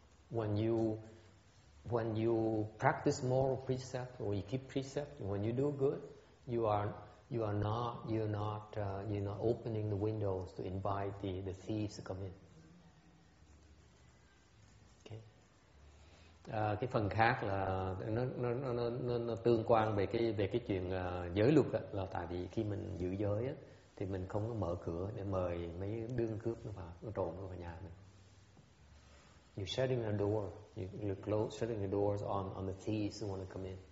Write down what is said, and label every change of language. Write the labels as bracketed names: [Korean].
[English] When you practice moral precept, or you keep precept, when you do good, you're not opening the windows to invite the thieves to come in. Okay. [Vietnamese] Cái phần khác là nó tương quan về cái chuyện giới luật đó, là tại vì khi mình giữ giới á thì mình không có mở cửa để mời mấy đương cướp nó trộm vào nhà mình. [English] You're shutting the door. You're close, shutting the doors on the thieves who want to come in.